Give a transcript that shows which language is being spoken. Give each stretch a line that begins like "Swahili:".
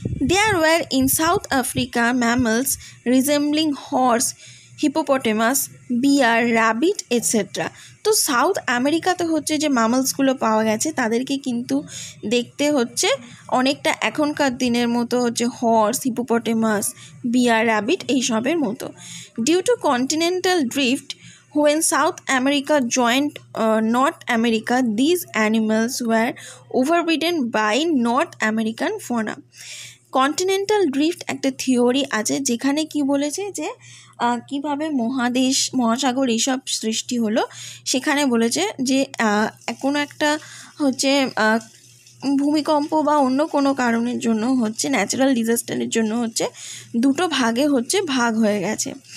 English: There were in South Africa mammals resembling horse hippopotamus bear rabbit etcetera.
Bangla: তো south আমেরিকাতে হচ্ছে যে মামালসগুলো পাওয়া গেছে তাদেরকে কিন্তু দেখতে হচ্ছে অনেকটা এখনকার দিনের মতো হচ্ছে হর্স হিপোপটেমাস বিয়ার র্যাবিট এইসবের মতো।
English: Due to continental drift who in South America joined North America, these animals were overridden by North American fauna.
Bangla: Continental drift একটা থিওরি আছে যেখানে কি বলেছে যে কিভাবে মহাদেশ মহাসাগর এইসব সৃষ্টি হলো সেখানে বলেছে যে কোনো একটা হচ্ছে ভূমিকম্প বা অন্য কোনো কারণের জন্য হচ্ছে ন্যাচারাল ডিজাস্টারের জন্য হচ্ছে দুটো ভাগে হচ্ছে ভাগ হয়ে গেছে